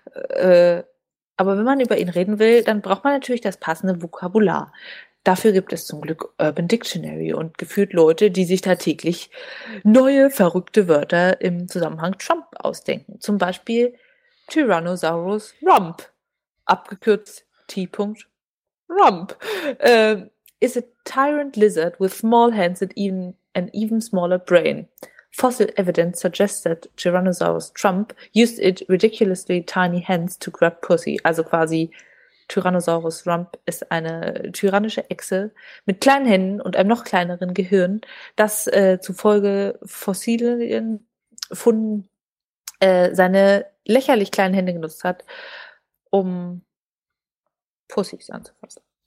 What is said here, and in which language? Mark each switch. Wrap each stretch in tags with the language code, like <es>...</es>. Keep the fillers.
<de>Äh, aber wenn man über ihn reden will, dann braucht man natürlich das passende Vokabular. Dafür gibt es zum Glück Urban Dictionary und gefühlt Leute, die sich da täglich neue verrückte Wörter im Zusammenhang Trump ausdenken. Zum Beispiel Tyrannosaurus Rump, abgekürzt T. Rump.</de> <en>Ähm, is a tyrant lizard with small hands and even an even smaller brain. Fossil evidence suggests that Tyrannosaurus Trump used its ridiculously tiny hands to grab pussy.</en> <de>Also quasi Tyrannosaurus Rump ist eine tyrannische Echse mit kleinen Händen und einem noch kleineren Gehirn, das äh, zufolge fossilen Funden äh, seine lächerlich kleinen Hände genutzt hat, um Pussys anzufassen.</de>